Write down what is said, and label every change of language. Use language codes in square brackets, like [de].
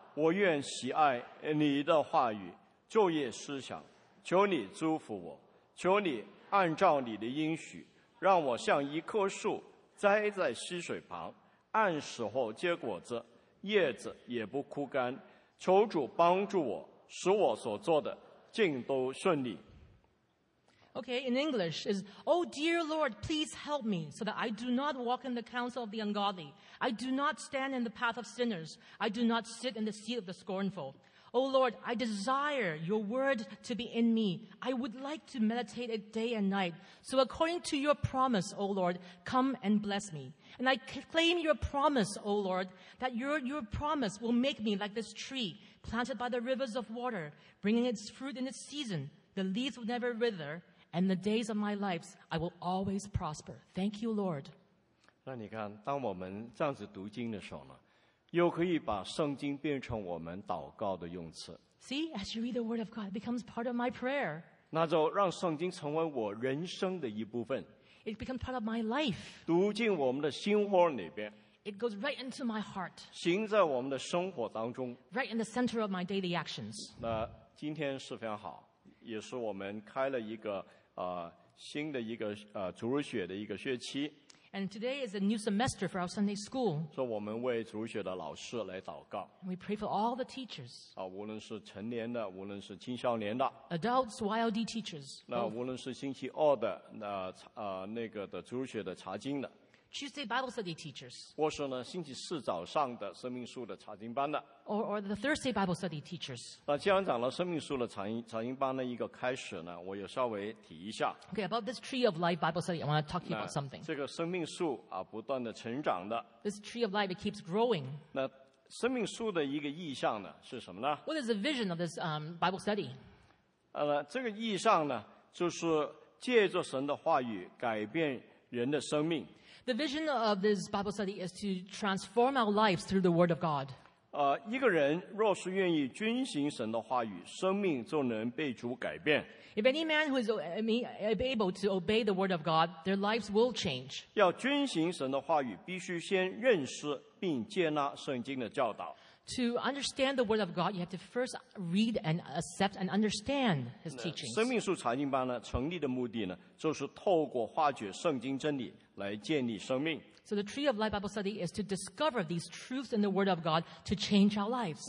[zh] 我愿喜爱你的话语，昼夜思想，求你祝福我，求你按照你的应许，让我像一棵树栽在溪水旁，按时候结果子，叶子也不枯干。求主帮助我，使我所做的尽都顺利。 [en] Okay, in English is, Oh dear Lord, please help me so that I do not walk in the counsel of the ungodly. I do not stand in the path of sinners. I do not sit in the seat of the scornful. Oh Lord, I desire your word to be in me. I would like to meditate it day and night. So according to your promise, Oh Lord, come and bless me. And I claim your promise, Oh Lord, that your promise will make me like this tree planted by the rivers of water, bringing its fruit in its season. The leaves will never wither. And the days of my life, I will always prosper. Thank you, Lord. [zh] 那你看，当我们这样子读经的时候呢，又可以把圣经变成我们祷告的用词。 [en] See, as you read the word of God, it becomes part of my prayer. [zh] 那就让圣经成为我人生的一部分。 [en] It becomes part of my life. [zh] 读进我们的心窝里边。 [en] It goes right into my heart. [zh] 行在我们的生活当中。 [en] Right in the center of my daily actions. [zh] 那今天是非常好。也是我们开了一个新的一个主日学的一个学期。 [en] And today is a new semester for our Sunday school. [zh] 所以我们为主学的老师来祷告。 [en] We pray for all the teachers. [zh] 无论是成年的，无论是青少年的。 [en] Adults, YLD teachers. [zh] 那无论是星期二的，那那个的主日学的查经的。 [en] Tuesday Bible study teachers. [zh] 或是呢，星期四早上的生命树的查经班的。 [en] Or the Thursday Bible study teachers. [zh] 那既然讲了生命树的查经班的一个开始呢，我也稍微提一下。 [en] Okay, about this tree of life Bible study, I want to talk to you about something. [zh] 这个生命树啊，不断的成长的。 [en] This tree of life, it keeps growing. [zh] 那生命树的一个意象呢，是什么呢？ [en] What is the vision of this Bible study? [zh] 这个意象呢，就是借着神的话语改变人的生命。 [en] The vision of this Bible study is to transform our lives through the Word of God. [zh] 一个人若是愿意遵行神的话语，生命就能被主改变。 [en] If any man who is able to obey the Word of God, their lives will change. [zh] 要遵行神的话语，必须先认识并接纳圣经的教导。 [en] To understand the Word of God, you have to first read and accept and understand His teachings. [zh] 生命树查经班呢，成立的目的呢，就是透过发掘圣经真理来建立生命。 [en] So the Tree of Life Bible Study is to discover these truths in the Word of God to change our lives.